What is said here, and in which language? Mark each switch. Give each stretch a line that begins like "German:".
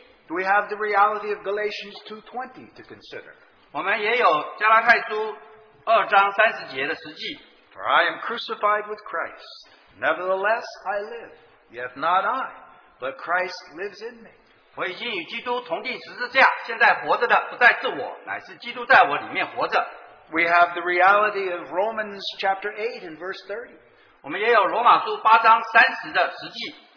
English: Do we have the reality of Galatians 2:20 to consider?
Chinese: 我们也有加拉太书二章三十节的实际。
English: For I am crucified with Christ. Nevertheless, I live. Yet not I, but Christ lives in me.
Chinese: 我已经与基督同定十字架，现在活着的不再是我，乃是基督在我里面活着。
English: We have the reality of Romans chapter 8 and verse 30.
Chinese: 我们也有罗马书八章三十的实际。